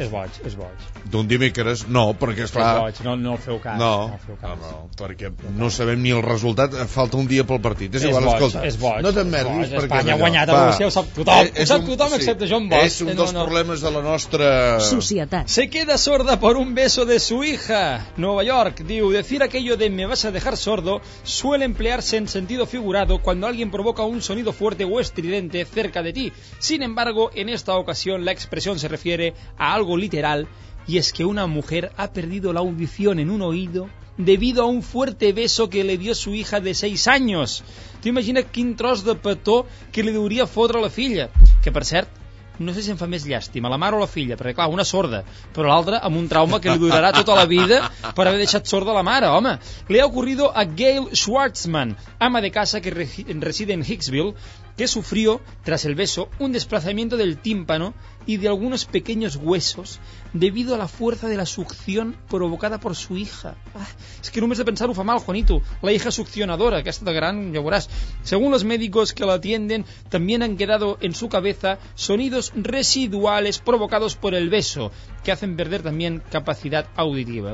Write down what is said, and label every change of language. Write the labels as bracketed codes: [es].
[ca] És boig. D'un dimecres? No, perquè esclar... És boig, no feu cas. No, perquè no sabem ni el resultat, falta un dia pel partit. És igual, escolta. És boig. No t'emmerdis. Espanya ha guanyat a Rússia, ho sap tothom. Ho sap tothom, sí. Excepte jo, en boig. És un dels problemes de la nostra... societat. [es] Se queda sorda por un beso de su hija. Nueva York, diu, decir aquello de me vas a dejar sordo suele emplearse en sentido figurado cuando alguien provoca un sonido fuerte o estridente cerca de ti. Sin embargo, en esta ocasión la expresión se refiere a algo literal, y es que una mujer ha perdido la audición en un oído debido a un fuerte beso que le dio su hija de 6 años. [ca] ¿Te imaginas quin tros de petó que le deuria fotre a la filla? Que, per cert, no sé si em fa més llàstima, la mare o la filla, perquè, clar, una sorda, però l'altra amb un trauma que li durarà tota la vida per haver deixat sorda la mare, home. [es] Li ha ocurrido a Gail Schwartzman, ama de casa que reside en Hicksville, que sufrió, tras el beso, un desplazamiento del tímpano y de algunos pequeños huesos debido a la fuerza de la succión provocada por su hija. [ca] Es que només de pensar ho fa mal, Juanito. La hija succionadora, que ha estat gran, ja veuràs. [es] Según los médicos que la atienden, también han quedado en su cabeza sonidos residuales provocados por el beso, que hacen perder también capacidad auditiva.